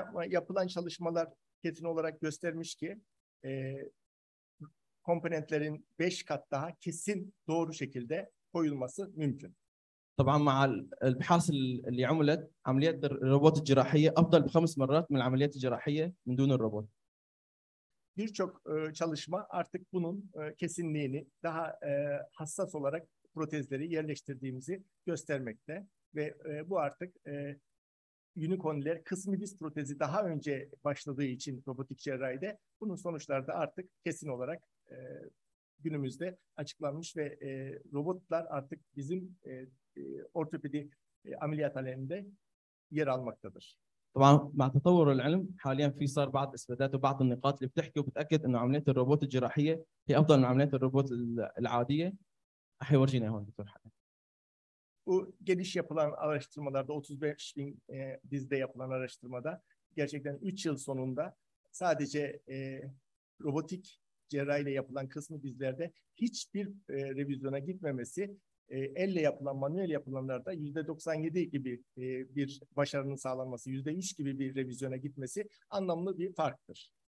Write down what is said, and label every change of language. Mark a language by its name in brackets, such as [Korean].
[Turkish] Yapılan çalışmalar kesin olarak göstermiş ki komponentlerin 5 kat daha kesin doğru şekilde koyulması mümkün. [Arabic] طبعا مع البحث اللي عملت عمليات الروبوت الجراحيه افضل بخمس مرات من العمليات الجراحيه من دون الروبوت. [Turkish] Birçok çalışma artık bunun kesinliğini daha hassas olarak protezleri yerleştirdiğimizi göstermekte ve bu artık unikonler kısmi diz protezi daha önce başladığı için robotik cerrahide bunun sonuçları da artık kesin olarak günümüzde açıklanmış ve robotlar artık bizim ortopedi ameliyat alanında yer almaktadır. [Arabic] طبعا مع تطور العلم حاليا في صار بعض اثباتات وبعض النقاط اللي بتحكي وبتاكد انه عمليات الروبوت الجراحيه هي افضل من عمليات الروبوت العاديه. حيورجينا هون دكتور حاتم. [Turkish] Bu geniş yapılan araştırmalarda 35 bin dizde yapılan araştırmada gerçekten 3 yıl sonunda sadece robotik cerrahiyle yapılan kısmı dizlerde hiçbir revizyona gitmemesi elle yapılan manuel yapılanlarda %97 gibi bir başarının sağlanması %3 gibi bir revizyona gitmesi anlamlı bir farktır.